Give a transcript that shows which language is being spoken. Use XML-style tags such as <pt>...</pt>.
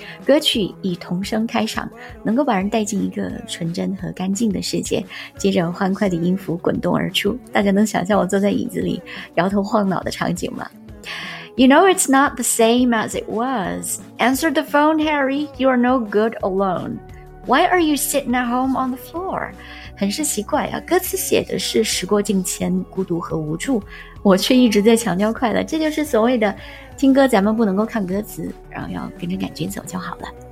<zh>歌曲以童声开场，能够把人带进一个纯真和干净的世界，接着欢快的音符滚动而出，大家能想象我坐在椅子里摇头晃脑的场景吗？</zh> <en>You know it's not the same as it was. Answer the phone, Harry. You are no good alone. Why are you sitting at home on the floor?</en> <zh>很是奇怪啊，歌词写的是时过境迁，孤独和无助，我却一直在强调快乐。这就是所谓的听歌咱们不能够看歌词，然后要跟着感觉走就好了。</zh>